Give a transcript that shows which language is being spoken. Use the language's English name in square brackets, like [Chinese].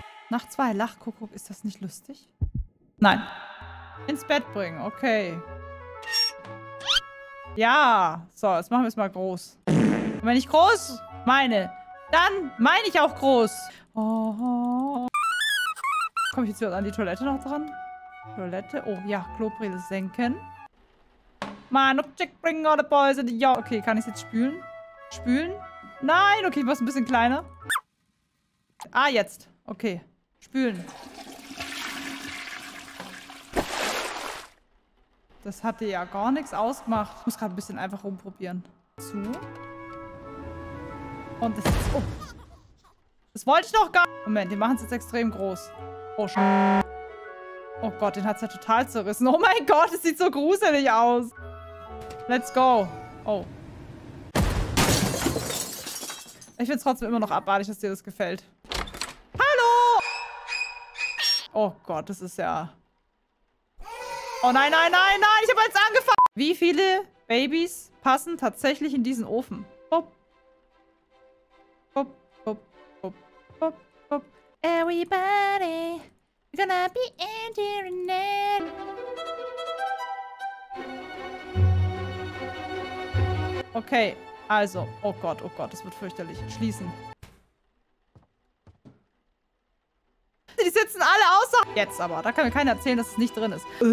[German] Nach zwei Lachkuckuck, ist das nicht lustig? Nein. Ins Bett bringen, okay. Ja, so, jetzt machen wir es mal groß. Und wenn ich groß meine, dann meine ich auch groß. Oh. Komme ich jetzt an die Toilette noch dran? Toilette, oh ja, Klobrille senken. [English] Man, chick, bring all the boys in the yard. [German] Okay, kann ich es jetzt spülen? Spülen? Nein, okay, ich mach's ein bisschen kleiner. Ah, jetzt. Okay, spülen. Das hatte ja gar nichts ausgemacht. Ich muss gerade ein bisschen einfach rumprobieren. Zu. Und das ist... Oh. Das wollte ich noch gar nicht. Moment, die machen es jetzt extrem groß. Oh, oh Gott, den hat es ja total zerrissen. Oh mein Gott, es sieht so gruselig aus. [English] Let's go. [German] Oh. Ich finde es trotzdem immer noch abartig, dass dir das gefällt. Hallo! Oh Gott, das ist ja... Oh nein, nein, nein, nein, ich habe jetzt angefangen. Wie viele Babys passen tatsächlich in diesen Ofen? Hop. Hop, hop, hop, hop, hop. [English] Everybody, we're gonna be entering it. [German] Okay, also, oh Gott, das wird fürchterlich. Schließen. Die sitzen alle außer... Jetzt aber. Da kann mir keiner erzählen, dass es nicht drin ist.